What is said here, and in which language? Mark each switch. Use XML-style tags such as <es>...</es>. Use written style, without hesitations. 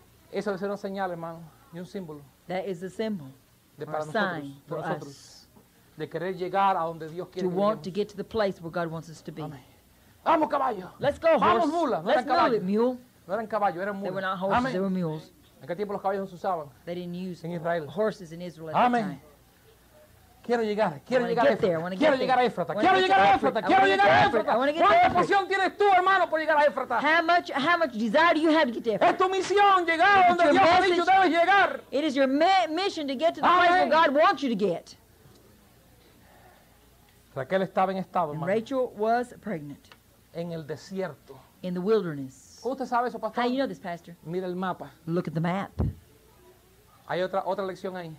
<es>Eso debe ser una señal, hermano. Y un símbolo.</es> <en>That is a symbol,</en> <es>de para</es> <en>a sign</en> <es>nosotros,</es> <en>for us.</en> <es>De querer llegar a donde Dios quiere</es> <en>to want to get to the place where God wants us to be.</en> <es>Amen. Vamos caballo.</es> <en>Let's go, horse.</en> <es>Vamos mula. No</es> <en>Let's</en> <es>eran</es> <en>move it, mule.</en> <es>No eran caballo, eran mula.</es> <en>They were not horses, Amen. They were mules.</en> <es>¿En qué tiempo los caballos no se usaban?</es> <en>They didn't use</en> <es>en Israel.</es> <en>Horses in Israel at that time.</en> <es>Quiero llegar, quiero llegar a Éfrata. Quiero llegar a Éfrata. Quiero llegar a Éfrata. Quiero llegar a Éfrata. ¿Cuánta pasión tienes tú, hermano, por llegar a Éfrata?</es> <en>How much desire do you have to get to Éfrata?</en> <es>Es tu misión llegar donde Dios ha dicho debes llegar.</es> <en>It is your mission to get to the place where God wants you to get.</en> <es>Raquel estaba en estado, hermano.</es> <en>Rachel was pregnant.</en> <es>En el desierto.</es> <en>In the wilderness.</en> <es>¿Usted sabe eso, pastor?</es> <en>How you know this, pastor?</en> <es>Mira el mapa.</es> <en>Look at the map.</en> <es>Hay otra lección ahí.</es>